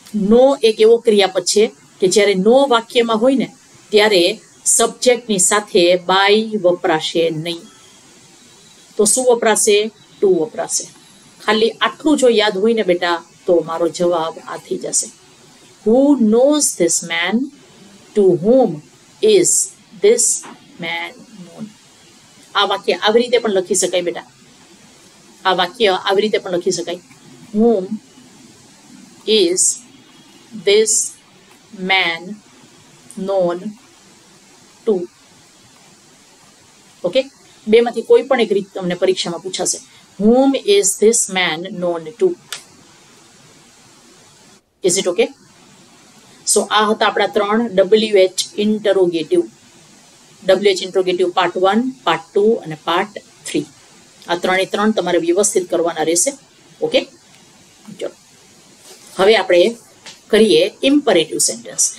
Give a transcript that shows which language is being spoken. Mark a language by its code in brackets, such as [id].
[gu] નો એક એવો ક્રિયાપદ છે કે જ્યારે નો વાક્યમાં હોય ને ત્યારે સબ્જેક્ટની સાથે બાય વપરાશે નહીં. તો શું વપરાશે? ટુ વપરાશે. ખાલી આટલું જો યાદ હોય ને બેટા તો મારો જવાબ આ થઈ જશે. [en] Who knows this man? To whom is this man known? [gu] આ વાક્ય આવી રીતે પણ લખી શકાય બેટા, આ વાક્ય આવી રીતે પણ લખી શકાય. [en] Whom is this man known to? [gu] Okay, બેમાંથી કોઈ પણ એક રીત તમને પરીક્ષામાં પૂછાશે. [en] Whom is this man known to? Is it okay? [gu] સો આ હતા આપણા ત્રણ WH interrogative, WH interrogative part 1, part 2 અને પાર્ટ 3. આ ત્રણે ત્રણ તમારે વ્યવસ્થિત કરવાના રહેશે. ઓકે, ચલો હવે આપણે કરીએ ઇમ્પરેટિવ સેન્ટેન્સ.